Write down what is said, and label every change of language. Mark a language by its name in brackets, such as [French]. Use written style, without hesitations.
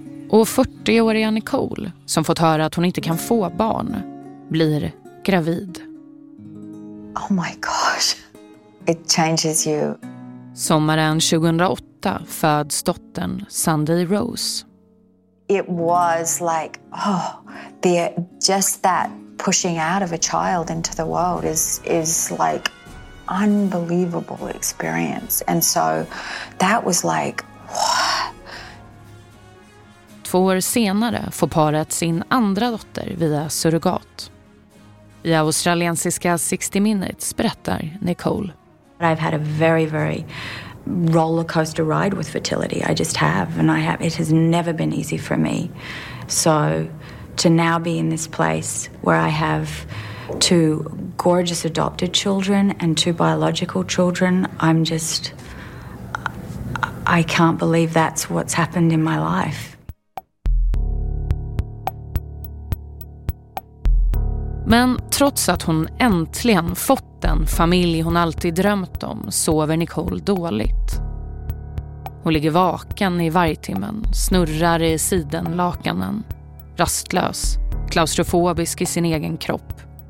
[Swedish] Och 40-åriga Nicole, som fått höra att hon inte kan få barn, blir gravid. [English] Oh my gosh. It changes you. [Swedish] Sommaren 2008 föds dottern Sunday Rose. [English] It was like, oh, the just that pushing out of a child into the world is like unbelievable experience. And so that was like, what? [Swedish] 2 år senare får paret sin andra dotter via surrogat. I australiensiska 60 Minutes berättar Nicole. [English] I've had a very, very roller coaster ride with fertility. I just have, and I have. It has never been easy for me. So to now be in this place where I have two gorgeous adopted children and two biological children, I'm just, I can't believe that's what's happened in my life. [Swedish] Men trots att hon äntligen fått den familj hon alltid drömt om sover Nicole dåligt. Hon ligger vaken i vargtimmen, snurrar i sidenlakanen, rastlös, klaustrofobisk i sin egen kropp.